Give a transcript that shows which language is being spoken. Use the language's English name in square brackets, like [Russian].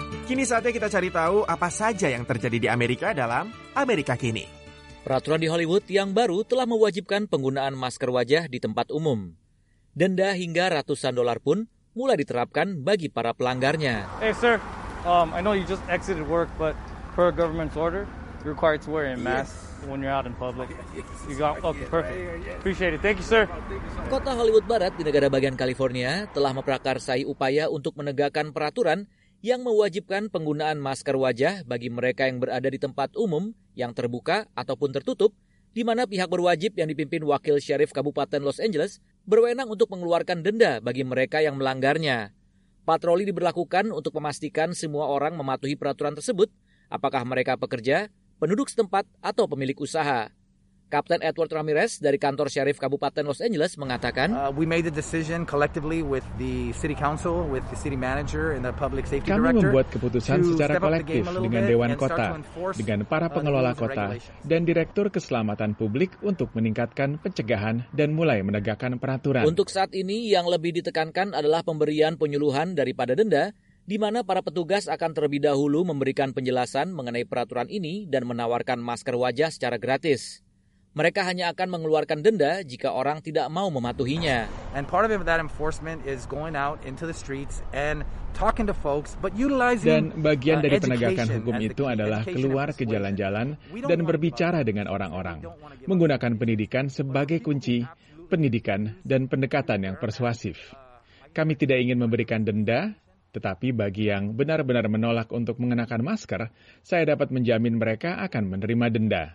[Indonesian] Kini saatnya kita cari tahu apa saja yang terjadi di Amerika dalam Amerika Kini. Peraturan di Hollywood yang baru telah mewajibkan penggunaan masker wajah di tempat umum. Denda hingga ratusan dolar pun mulai diterapkan bagi para pelanggarnya. [English] Hey sir, I know you just exited work, but per government's order, you're required to wear a mask when you're out in public. You got okay, perfect. Appreciate it. Thank you, sir. [Indonesian] Kota Hollywood Barat di negara bagian California telah memprakarsai upaya untuk menegakkan peraturan yang mewajibkan penggunaan masker wajah bagi mereka yang berada di tempat umum yang terbuka ataupun tertutup, di mana pihak berwajib yang dipimpin Wakil Sheriff Kabupaten Los Angeles berwenang untuk mengeluarkan denda bagi mereka yang melanggarnya. Patroli diberlakukan untuk memastikan semua orang mematuhi peraturan tersebut, apakah mereka pekerja, penduduk setempat, atau pemilik usaha. Kapten Edward Ramirez dari kantor Sheriff Kabupaten Los Angeles mengatakan, [English] "We made the decision collectively with the city council, with the city manager and the public safety director. [Indonesian] Kami membuat keputusan secara kolektif dengan dewan kota, dengan para pengelola kota dan direktur keselamatan publik untuk meningkatkan pencegahan dan mulai menegakkan peraturan. Untuk saat ini yang lebih ditekankan adalah pemberian penyuluhan daripada denda, di mana para petugas akan terlebih dahulu memberikan penjelasan mengenai peraturan ini dan menawarkan masker wajah secara gratis. Mereka hanya akan mengeluarkan denda jika orang tidak mau mematuhinya. [English] And part of that enforcement is going out into the streets and talking to folks, but utilizing [Indonesian] dan bagian dari penegakan hukum itu adalah keluar ke jalan-jalan dan berbicara dengan orang-orang. Menggunakan pendidikan sebagai kunci, pendidikan dan pendekatan yang persuasif. Kami tidak ingin memberikan denda, tetapi bagi yang benar-benar menolak untuk mengenakan masker, saya dapat menjamin mereka akan menerima denda.